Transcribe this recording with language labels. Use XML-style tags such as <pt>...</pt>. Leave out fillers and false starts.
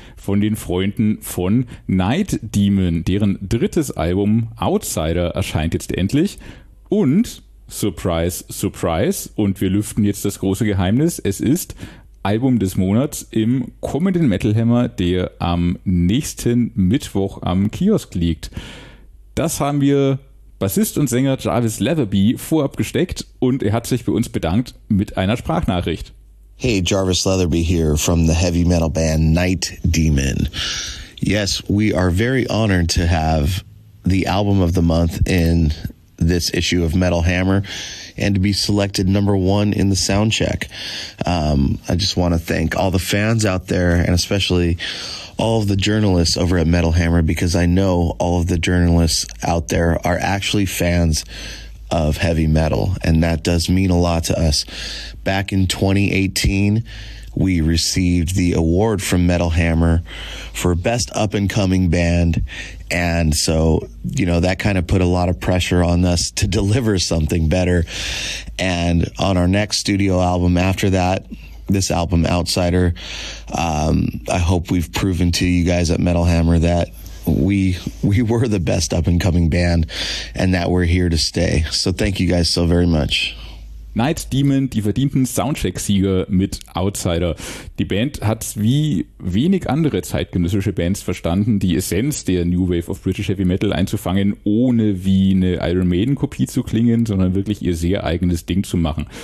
<de>Von den Freunden von Night Demon, deren drittes Album Outsider erscheint jetzt endlich und Surprise, Surprise, und wir lüften jetzt das große Geheimnis, es ist Album des Monats im kommenden Metal Hammer, der am nächsten Mittwoch am Kiosk liegt. Das haben wir Bassist und Sänger Jarvis Leatherby vorab gesteckt und er hat sich bei uns bedankt mit einer Sprachnachricht.</de> <en>Hey, Jarvis Leatherby here from the heavy metal band Night Demon. Yes, we are very honored to have the album of the month in this issue of Metal Hammer and to be selected number one in the soundcheck. I just want to thank all the fans out there and especially all of the journalists over at Metal Hammer, because I know all of the journalists out there are actually fans of heavy metal, and that does mean a lot to us. Back in 2018, we received the award from Metal Hammer for best up and coming band. And so, you know, that kind of put a lot of pressure on us to deliver something better. And on our next studio album after that, this album Outsider, I hope we've proven to you guys at Metal Hammer that we were the best up and coming band and that we're here to stay. So thank you guys so very much.</en> <de>Night Demon, die verdienten Soundcheck-Sieger mit Outsider. Die Band hat wie wenig andere zeitgenössische Bands verstanden, die Essenz der New Wave of British Heavy Metal einzufangen, ohne wie eine Iron Maiden-Kopie zu klingen, sondern wirklich ihr sehr eigenes Ding zu machen.</de>